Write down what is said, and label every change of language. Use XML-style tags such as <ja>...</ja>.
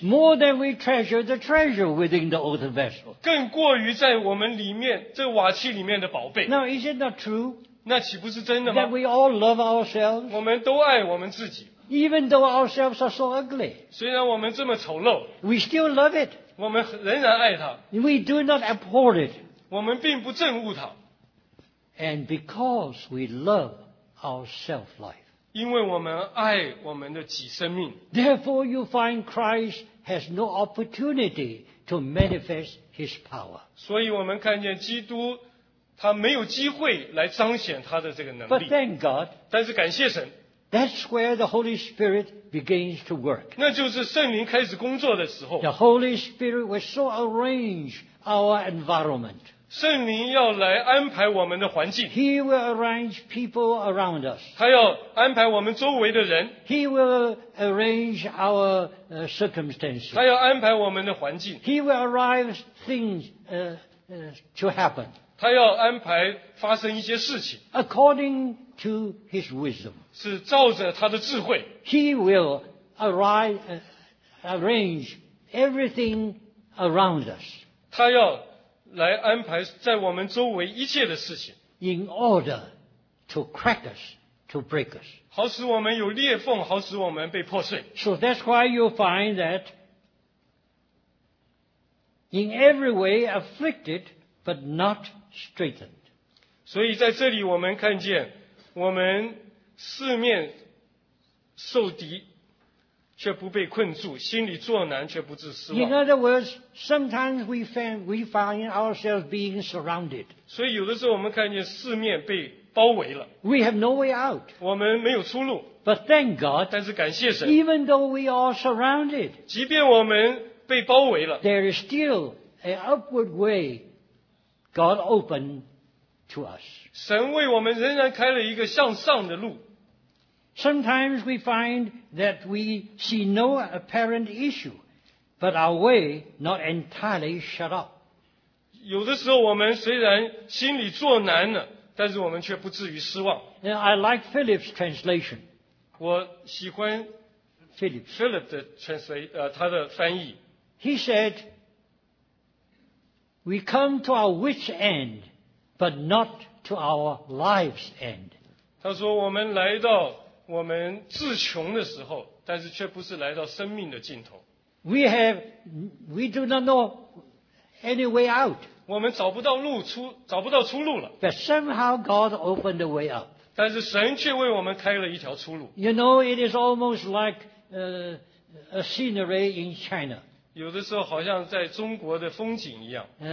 <en>More than we treasure the treasure within the earthen vessel.</en> <zh>更过于在我们里面这瓦器里面的宝贝。</zh> <en>Now is it not true?</en> <zh>那岂不是真的吗？</zh> <en>That we all love ourselves.</en> <zh>我们都爱我们自己。</zh> <en>Even though ourselves are so ugly.</en> <zh>虽然我们这么丑陋。</zh> <en>We still love it.</en> <zh>我们仍然爱它。</zh> <en>We do not abhor it.</en> <zh>我们并不憎恶它。</zh> <en>And because we love our self-life.</en> <zh>因为我们爱我们的己生命。</zh> <en>Therefore you find Christ has no opportunity to manifest his power.</en> <zh>所以我们看见基督他没有机会来彰显他的这个能力。</zh> <en>But thank God.</en> <zh>但是感谢神。</zh> <en>That's where the Holy Spirit begins to work.</en> <zh>那就是圣灵开始工作的时候。</zh> <en>The Holy Spirit will so arrange our environment.</en> <zh>圣灵要来安排我们的环境。</zh> <en>He will arrange people around us.</en> <zh>他要安排我们周围的人。</zh> <en>He will arrange our circumstances.</en> <zh>他要安排我们的环境。</zh> <en>He will arrange things to happen.</en> <zh>他要安排发生一些事情。</zh> <en>According to his wisdom.</en> <zh>是照着他的智慧。</zh> <en>He will arrange everything around us.</en> <zh>他要来安排在我们周围一切的事情。</zh> <en>In order to crack us, to break us.</en> <zh>好使我们有裂缝，好使我们被破碎。</zh> <en>So that's why you find that in every way afflicted, but not straightened.</en> <zh>所以在这里我们看见我们四面受敌却不被困住，心里作难却不致失望。</zh> <en>In other words, sometimes we find ourselves being surrounded.</en> <zh>所以有的时候我们看见四面被包围了。</zh> <en>We have no way out.</en> <zh>我们没有出路。</zh> <en>But thank God.</en> <zh>但是感谢神。</zh> <en>Even though we are surrounded.</en> <zh>即便我们被包围了。</zh> <en>There is still an upward way God opened to us.</en> <zh>神为我们仍然开了一个向上的路。</zh> <en>Sometimes we find that we see no apparent issue, but our way not entirely shut up.</en> <zh>有的时候我们虽然心里作难了，但是我们却不至于失望。</zh> <en>And I like Philip's translation.</en> <zh>我喜欢 Philip 的传说，他的翻译。</zh> <en>He said, "We come to our wit's end, but not to our life's end."</en> <zh>他说我们来到我们自穷的时候，但是却不是来到生命的尽头。</zh> <en>We do not know any way out.</en> <zh>我们找不到路出，找不到出路了。</zh> <en>But somehow God opened the way up.</en> <zh>但是神却为我们开了一条出路。</zh> <en>You know, it is almost like a scenery in China.</en> <zh>有的时候好像在中国的风景一样。</zh>